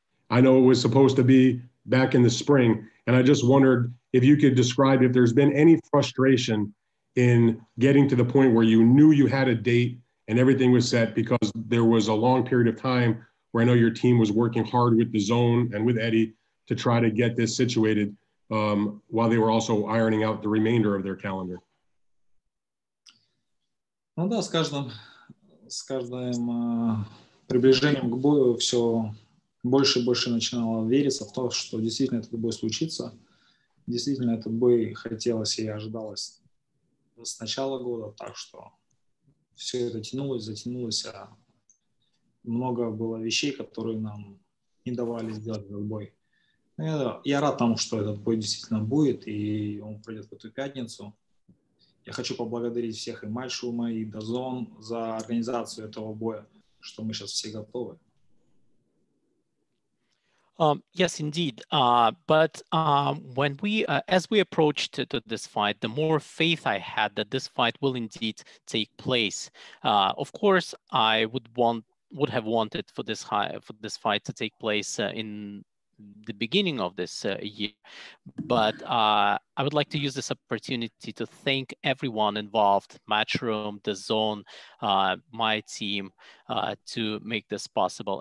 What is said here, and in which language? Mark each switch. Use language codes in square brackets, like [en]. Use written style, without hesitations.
[en] I know it was supposed to be back in the spring, and I just wondered if you could describe if there's been any frustration in getting to the point where you knew you had a date and everything was set, because there was a long period of time where I know your team was working hard with the zone and with Eddie to try to get this situated while they were also ironing out the remainder of their calendar. [ru] Ну да, с каждым приближением к бою все больше и больше начинало вериться в то, что действительно этот бой случится. Действительно, этот бой хотелось и ожидалось с начала года, так что все это тянулось, затянулось, а много было вещей, которые нам не давали сделать этот бой. Я рад тому, что этот бой действительно будет, и он пройдет в эту пятницу. Я хочу поблагодарить всех, и Matchroom, и DAZN, за организацию этого боя, что мы сейчас все готовы. [en] Yes, indeed. But as we approached to this fight, the more faith I had that this fight will indeed take place. Of course, I would have wanted for this fight to take place in the beginning of this year, but I would like to use this opportunity to thank everyone involved, Matchroom, DAZN, my team, to make this possible.